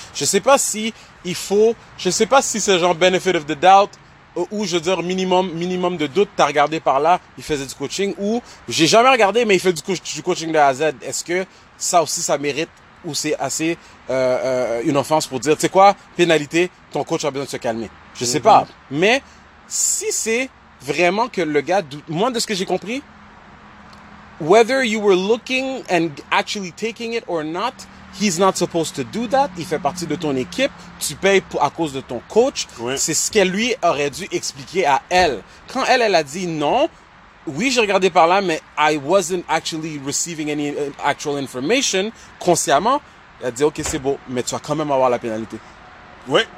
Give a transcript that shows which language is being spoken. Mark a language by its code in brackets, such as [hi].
[fr] Je sais pas si il faut, je sais pas si c'est genre [en] benefit of the doubt, [fr] ou je veux dire minimum de doute, t'as regardé par là, il faisait du coaching, ou j'ai jamais regardé, mais il fait du coaching de A à Z. Est-ce que ça aussi, ça mérite, ou c'est assez, une offense pour dire, tu sais quoi, pénalité, ton coach a besoin de se calmer. Je sais pas. Mais si c'est, vraiment que le gars, moi de ce que j'ai compris, [en] whether you were looking and actually taking it or not, he's not supposed to do that. [fr] Il fait partie de ton équipe. Tu payes à cause de ton coach. Ouais. C'est ce qu'elle lui aurait dû expliquer à elle. Quand elle a dit non, oui, j'ai regardé par là, mais [en] I wasn't actually receiving any actual information [fr] consciemment. Elle a dit, OK, c'est beau, mais tu vas quand même avoir la pénalité. Oui.